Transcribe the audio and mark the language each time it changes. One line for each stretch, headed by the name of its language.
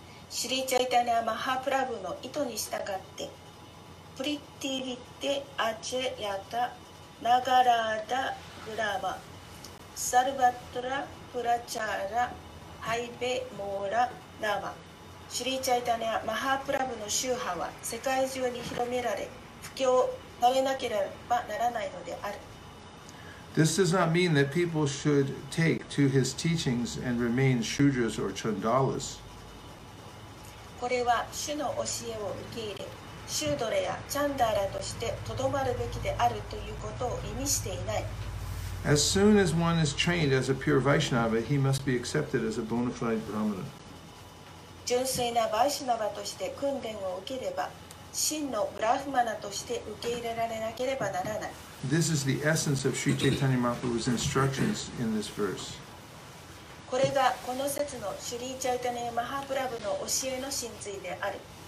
Japanese: Sri Chaitanya Mahaprabhu の意図に従って、
Bangla: プリティビテアチェヤタナガラダグラマサルバトラプラチャラハイベモーラナマ。
Japanese: Sri Chaitanya Mahaprabhu の宗派は世界中に広められ、布教されなければならないのである。
English: This does not mean that people should take to his teachings and remain Shudras or Chandalas.
Japanese: これは主の教えを受け入れ、シュドラやチャンダラとしてとどまるべきであるということを意味していない。
English: As soon as one is trained as a pure Vaishnava, he must be accepted as a bona fide Brahmana.
Japanese: 純粋なバイシュナバとして訓練を受ければ、真のブラフマナとして受け入れられなければならない。
English: This is the essence of Sri Chaitanya Mahaprabhu's instructions in this verse.
Japanese: これがこの節のシュリー・チャイタニア・マハプラブの教えの真髄である。